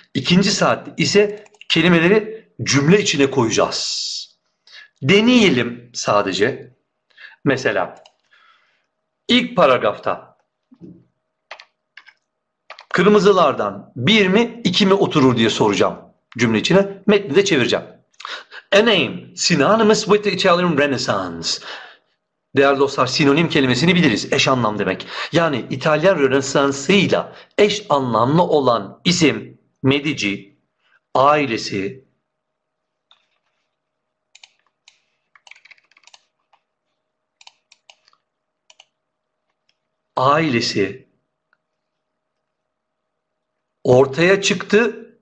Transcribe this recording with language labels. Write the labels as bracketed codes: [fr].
[tr] İkinci saatte ise kelimeleri cümle içine koyacağız. Deneyelim sadece. Mesela ilk paragrafta kırmızılardan bir mi iki mi oturur diye soracağım cümle içine. Metni de çevireceğim. [en] A name synonymous with the Italian Renaissance. [tr] Değerli dostlar, sinonim kelimesini biliriz. Eş anlam demek. Yani İtalyan Rönesansı'yla eş anlamlı olan isim, Medici, ailesi, ailesi ortaya çıktı.